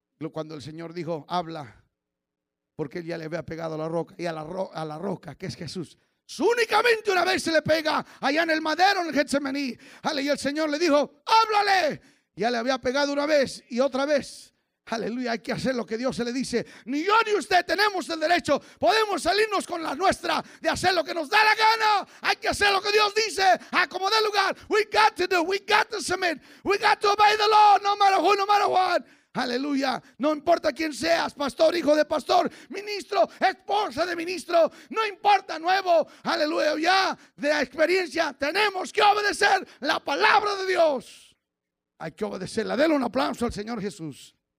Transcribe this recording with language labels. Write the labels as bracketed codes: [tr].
[es] Cuando el Señor dijo, habla, porque él ya le había pegado a la roca, y a la roca, que es Jesús, únicamente una vez se le pega allá en el madero, en el Getsemaní. Y el Señor le dijo, háblale, ya le había pegado una vez y otra vez. Aleluya, hay que hacer lo que Dios se le dice. Ni yo ni usted tenemos el derecho, podemos salirnos con la nuestra de hacer lo que nos da la gana. Hay que hacer lo que Dios dice, acomode el lugar. [en] We got to do, we got to submit, we got to obey the law, no matter who, no matter what. [es] Aleluya, no importa quién seas, pastor, hijo de pastor, ministro, esposa de ministro, no importa, nuevo, aleluya, ya de la experiencia, tenemos que obedecer la palabra de Dios. Hay que obedecerla. Denle un aplauso al Señor Jesús.